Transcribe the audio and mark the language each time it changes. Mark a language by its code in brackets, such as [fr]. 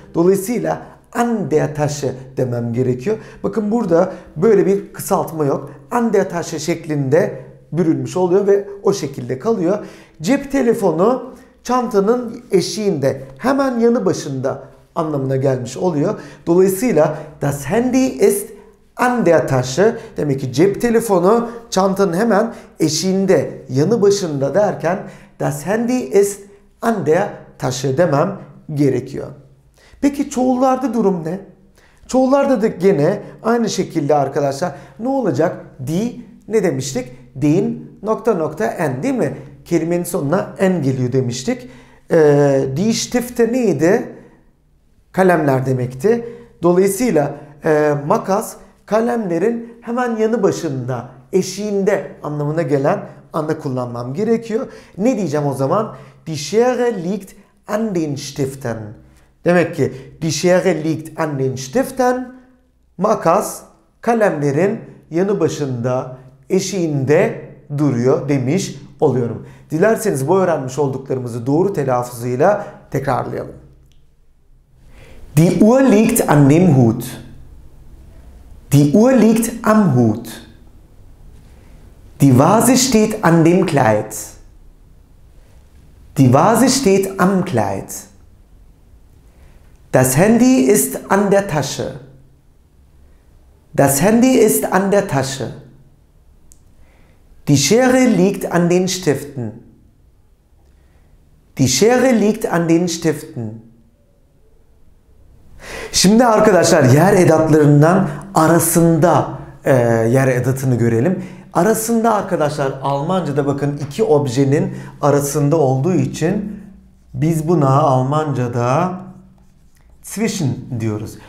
[tr] Dolayısıyla [de] an der Tasche [tr] demem gerekiyor. Bakın burada böyle bir kısaltma yok. [de] An der Tasche [tr] şeklinde bürünmüş oluyor ve o şekilde kalıyor. Cep telefonu çantanın eşiğinde, hemen yanı başında anlamına gelmiş oluyor. Dolayısıyla [de] das Handy ist an der Tasche. [tr] Demek ki cep telefonu çantanın hemen eşiğinde, yanı başında derken [de] das Handy ist an der Tasche [tr] demem gerekiyor. Peki çoğullarda durum ne? Çoğullarda da gene aynı şekilde arkadaşlar. Ne olacak? Die, ne demiştik? Den, nokta nokta en değil mi? Kelimenin sonuna en geliyor demiştik. [de] Die Stifte [tr] neydi? Kalemler demekti. Dolayısıyla makas, kalemlerin hemen yanı başında, eşiğinde anlamına gelen anda kullanmam gerekiyor. Ne diyeceğim o zaman? [de] Die Schere liegt an den Stiften. [tr] Demek ki [de] die Schere liegt an den Stiften, [tr] makas kalemlerin yanı başında, eşiğinde duruyor demiş oluyorum. Dilerseniz bu öğrenmiş olduklarımızı doğru telaffuzuyla tekrarlayalım. [de] Die Uhr liegt an dem Hut. Die Uhr liegt am Hut. Die Vase steht an dem Kleid. Die Vase steht am Kleid. Das Handy ist an der Tasche. Das Handy ist an der Tasche. Die Schere liegt an den Stiften. Die Schere liegt an den Stiften. [tr] Şimdi arkadaşlar yer edatlarından arasında yer edatını görelim. Arasında arkadaşlar Almanca'da bakın iki objenin arasında olduğu için biz buna Almanca'da zwischen diyoruz.